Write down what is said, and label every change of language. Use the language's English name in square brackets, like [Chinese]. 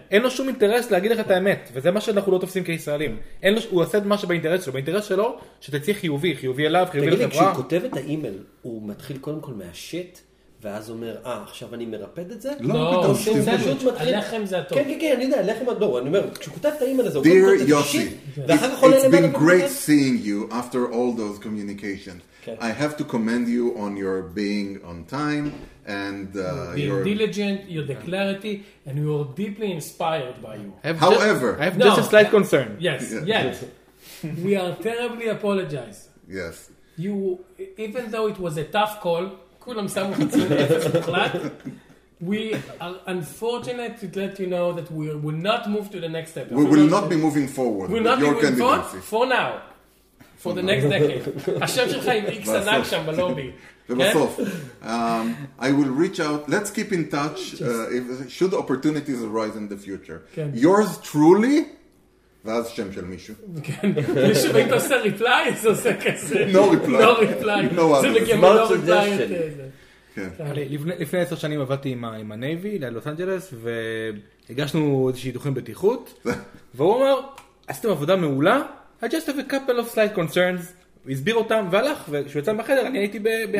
[Hebrew] אין לו שום אינטרס להגיד לך את האמת, וזה מה שאנחנו לא תופסים כישראלים. אין לו, הוא עושה את מה שבאינטרס שלו, באינטרס שלו שתצא חיובי, חיובי אליו, חיובי לחברה. תגיד לי, כשהוא כותב את האימייל, הוא מתחיל קודם כל מהשיט, ואז אומר, עכשיו אני מרפד את זה? לא, זה פשוט מתחיל. הלחם זה הטוב. כן, כן, כן, אני יודע, הלחם הדור. אני אומר, כשכותב את האימייל הזה, [English] Dear Yossi, it's been great seeing you after all those communications. I have to commend you on your being on time and your... Being diligent, your declarity, and you are deeply inspired by you. However... I have just a slight concern. Yes, yes. We are terribly apologized. Yes. You, even though it was a tough call... [Hebrew] כולם שמו חצי נפש מוחלט. [English] We are unfortunate to let you know that we will not move to the next step. We will not be moving forward. We will not be moving forward for now. For the next decade. [Hebrew] השם שלך עם איקס ענק שם בלובי. ובסוף. [English] I will reach out. Let's keep in touch. Should opportunities arise in the future. Yours truly... [Hebrew] ואז שם של מישהו. כן, מישהו אם אתה עושה ריפליי, זה עושה כזה. [English] No reply. No reply. No other. [Hebrew] זה מגיימה [English] no reply [Hebrew] את זה. לפני 10 שנים עבדתי עם הנייבי, ללוס אנג'לס, והגשנו איזושהי דוחים בטיחות, והוא אומר, עשיתם עבודה מעולה, [English] I just have a couple of slight concerns, [Hebrew] הסביר אותם והלך, וכשהוא יצא בחדר, אני הייתי בהיי.